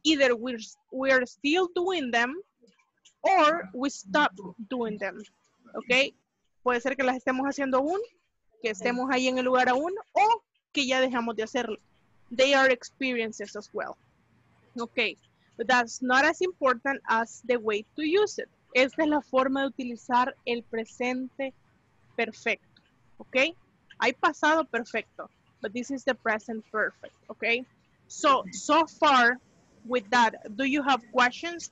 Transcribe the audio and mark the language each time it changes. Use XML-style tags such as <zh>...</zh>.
<en>Either we're still doing them or we stop doing them. ¿Ok?</en> <es>Puede ser que las estemos haciendo aún, que estemos ahí en el lugar aún, o que ya dejamos de hacerlo.</es> <en>They are experiences as well. ¿Ok? But that's not as important as the way to use it.</en> <es>Esta es la forma de utilizar el presente perfecto. ¿Ok? Hay pasado perfecto,</es> <en>but this is the present perfect. ¿Ok? So far with that, do you have questions?</en>